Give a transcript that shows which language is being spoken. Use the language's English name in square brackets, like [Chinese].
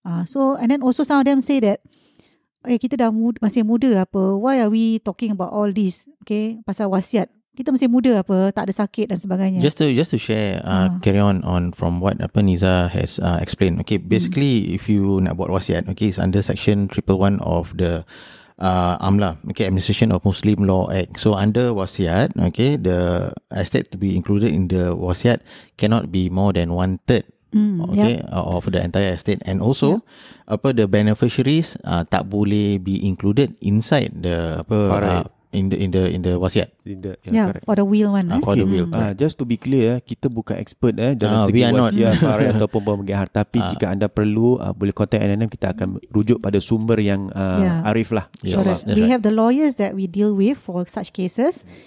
[English] So, and then also some of them say that [Malay] kita dah masih muda, apa, [English] why are we talking about all this? [Malay] Okay, pasal wasiat. Kita masih muda, apa, tak ada sakit dan sebagainya. [English] Just to share, carry on from what Niza has explained. Okay, basically, if you [Malay] nak buat [English] wasiat, okay, it's under section 111 of the AMLA, okay, Administration of Muslim Law Act. So under wasiat, okay, the estate to be included in the wasiat cannot be more than 1/3. Of the entire estate, and also the beneficiaries [Malay] tak boleh [English] be included inside the In the wasiat. Yeah, for the will one. Okay. For the will. [Malay] Just to be clear, kita bukan expert dalam segi wasiat, farai ataupun pembagian harta. Tapi jika anda perlu, boleh contact NNM, kita akan rujuk pada sumber yang arif lah. [English] Yes. So that's right. Have the lawyers that we deal with for such cases.